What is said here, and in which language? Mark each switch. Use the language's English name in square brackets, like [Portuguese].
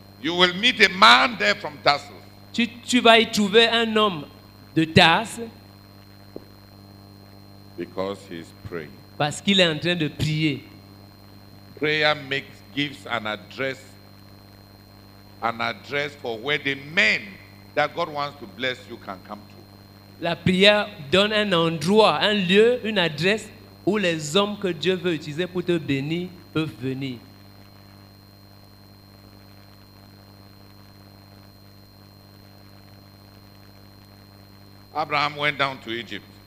[English] You will meet a man there from Tarsus. [French] Tu vas y trouver un homme de Tarse. [English] Because he's praying. [French] Parce qu'il est en train de prier. [English] Prayer makes gives an address for where the men that God wants to bless you can come to. [French] La prière donne un endroit, un lieu, une adresse où les hommes que Dieu veut utiliser pour te bénir peuvent venir. [English] Abraham went down to Egypt.